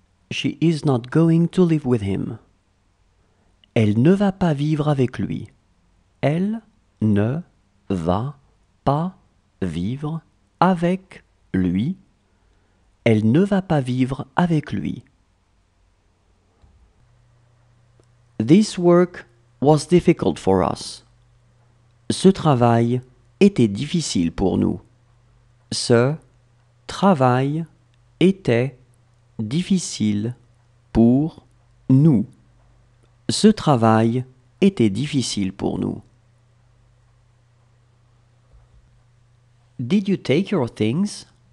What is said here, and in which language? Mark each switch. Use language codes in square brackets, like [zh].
[en] She is not going to live with him. [fr] Elle ne va pas vivre avec lui. Elle ne va pas vivre avec lui. Elle ne va pas vivre avec lui. [en] This work was difficult for us. [fr] Ce travail était difficile pour nous. Ce travail était difficile pour nous. Ce travail était difficile pour nous. [en] Did you take your things?